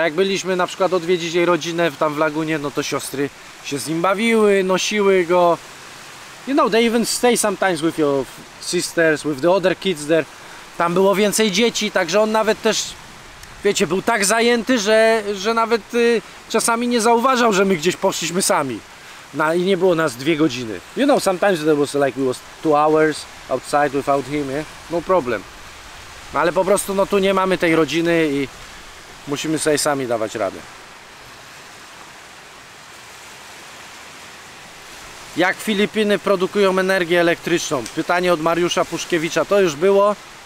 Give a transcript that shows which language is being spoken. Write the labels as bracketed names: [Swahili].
[Polish] Tak jak byliśmy na przykład odwiedzić jej rodzinę tam w lagunie, no to siostry się z nim bawiły, nosiły go. [English] You know, they even stay sometimes with your sisters, with the other kids there. [Polish] Tam było więcej dzieci, także on nawet też, wiecie, był tak zajęty, że nawet czasami nie zauważał, że my gdzieś poszliśmy sami. No i nie było nas dwie godziny. [English] You know, sometimes it was like we was 2 hours outside without him, yeah? No problem. [Polish] No, ale po prostu, no tu nie mamy tej rodziny i musimy sobie sami dawać radę. Jak Filipiny produkują energię elektryczną? Pytanie od Mariusza Puszkiewicza. To już było.